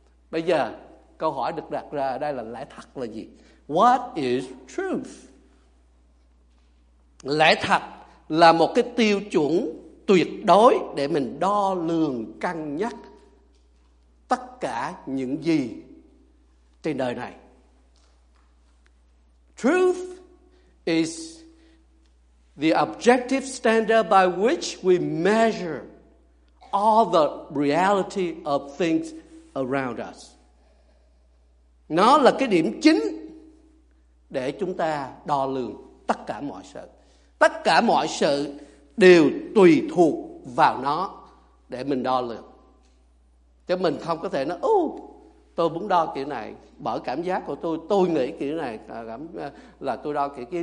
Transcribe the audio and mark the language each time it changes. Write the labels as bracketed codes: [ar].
[vi] Bây giờ, câu hỏi được đặt ra ở đây là lẽ thật là gì? [en] What is truth? [vi] Lẽ thật là một cái tiêu chuẩn tuyệt đối để mình đo lường, cân nhắc tất cả những gì trên đời này. [en] Truth is the objective standard by which we measure all the reality of things around us. [vi] Nó là cái điểm chính để chúng ta đo lường tất cả mọi sự. Tất cả mọi sự đều tùy thuộc vào nó để mình đo lường. Chứ mình không có thể nói, tôi muốn đo kiểu này bởi cảm giác của tôi nghĩ kiểu này là tôi đo kiểu kia.